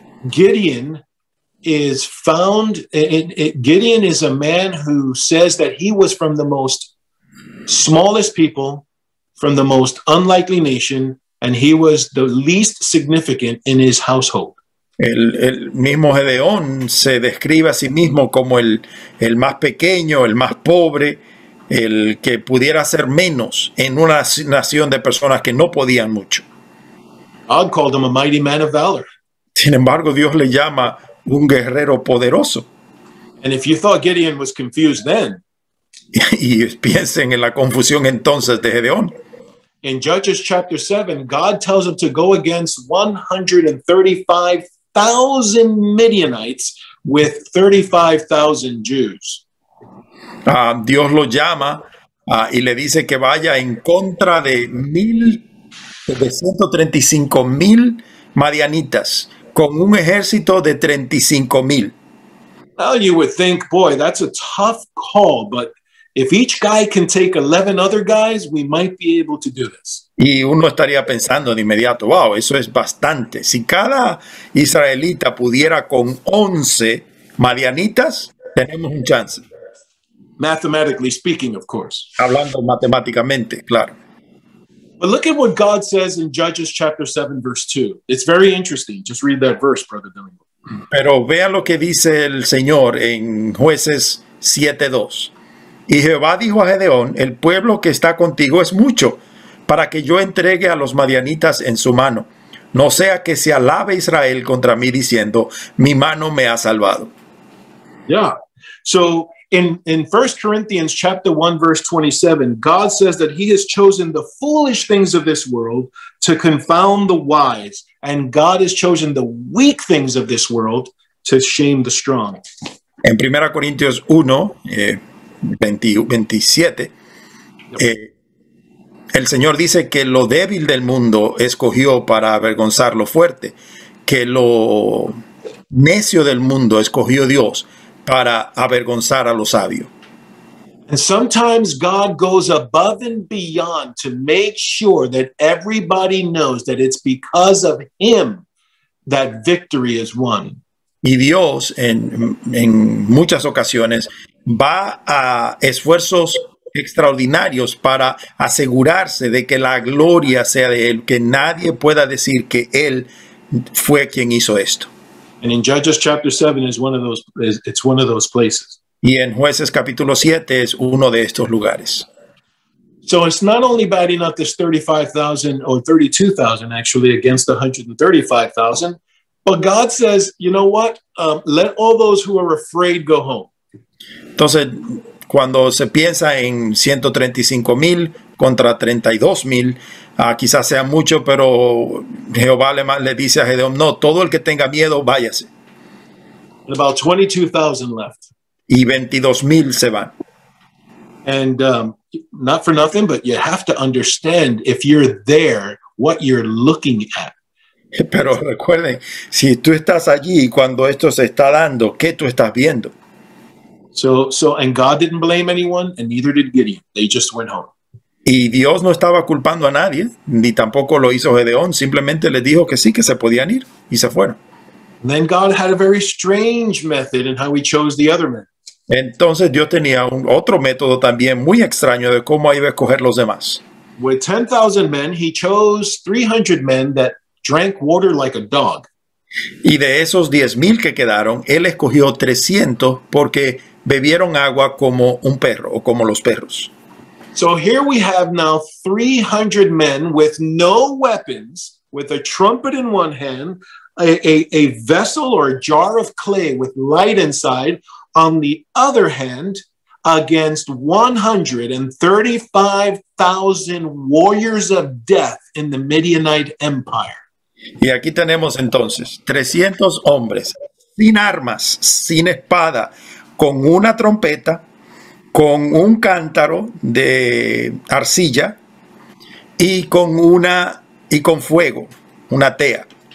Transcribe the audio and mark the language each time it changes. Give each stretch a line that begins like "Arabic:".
English: Gideon is found, Gideon is a man who says that he was from the most smallest people, from the most unlikely nation, and he was the least significant in his household.
Spanish: El mismo Gedeón se describe a sí mismo como el más pequeño, el más pobre, el que pudiera ser menos en una nación de personas que no podían mucho.
English: God called him a mighty man of valor.
Spanish: Sin embargo, Dios le llama un guerrero poderoso.
English: And if you thought Gideon was confused then,
Spanish: y piensen en la confusión entonces de Gedeón.
English: In Judges chapter 7, God tells him to go against 135,000 Midianites with 35,000 Jews.
Spanish: Dios lo llama y le dice que vaya en contra de 135,000 madianitas con un ejército de 35,000.
English: Well, you would think, boy, that's a tough call, but if each guy can take 11 other guys, we might be able to do this.
Spanish: Y uno estaría pensando de inmediato, wow, eso es bastante. Si cada israelita pudiera con 11 madianitas, tenemos un chance.
English: Mathematically speaking, of course.
Spanish: Hablando matemáticamente, claro.
English: But look at what God says in Judges chapter 7, verse 2. It's very interesting. Just read that verse, Brother Domingo.
Spanish: Pero vean lo que dice el Señor en Jueces 7:2. Y Jehová dijo a Gedeón, el pueblo que está contigo es mucho, para que yo entregue a los madianitas en su mano. No sea que se alabe Israel contra mí diciendo, mi mano me ha salvado.
English: Yeah, so in 1 Corinthians chapter 1, verse 27, God says that he has chosen the foolish things of this world to confound the wise, and God has chosen the weak things of this world to shame the strong.
Spanish: En 1 Corintios 1, 27, el Señor dice que lo débil del mundo escogió para avergonzar lo fuerte, que lo necio del mundo escogió Dios para avergonzar a lo sabio.
English: And sometimes God goes above and beyond to make sure that everybody knows that it's because of him that victory is won.
Spanish: Y Dios en muchas ocasiones va a esfuerzos extraordinarios para asegurarse de que la gloria sea de él, que nadie pueda decir que él fue quien hizo esto.
English: And in Judges chapter 7 is one of those, it's one of those places.
Spanish: Y en Jueces capítulo 7 es uno de estos lugares.
English: So it's not only bad enough this 35,000 or 32,000 actually against 135,000, but God says, you know what? Let all those who are afraid go home.
Spanish: Entonces, cuando se piensa en 135,000 contra 32,000, Quizás sea mucho, pero Jehová le dice a Gedeón, no, todo el que tenga miedo, váyase.
English: About 22,000 left.
Spanish: Y 22,000 se van.
English: And not for nothing, but you have to understand if you're there, what you're looking at.
Spanish: Pero recuerden, si tú estás allí cuando esto se está dando, ¿qué tú estás viendo?
English: So and God didn't blame anyone, and neither did Gideon. They just went home.
Spanish: Y Dios no estaba culpando a nadie, ni tampoco lo hizo Gedeón. Simplemente les dijo que sí, que se podían ir, y se fueron.
English: And then God had a very strange method in how he chose the other men.
Spanish: Entonces Dios tenía otro método también muy extraño de cómo iba a escoger los demás.
English: With 10,000 men, he chose 300 men that drank water like a dog.
Spanish: Y de esos 10,000 que quedaron, él escogió 300 porque bebieron agua como un perro o como los perros.
English: So here we have now 300 men with no weapons, with a trumpet in one hand, a vessel or a jar of clay with light inside, on the other hand, against 135,000 warriors of death in the Midianite Empire.
Spanish: Y aquí tenemos entonces 300 hombres sin armas, sin espada, con una trompeta, con un cántaro de arcilla y con fuego, una tea.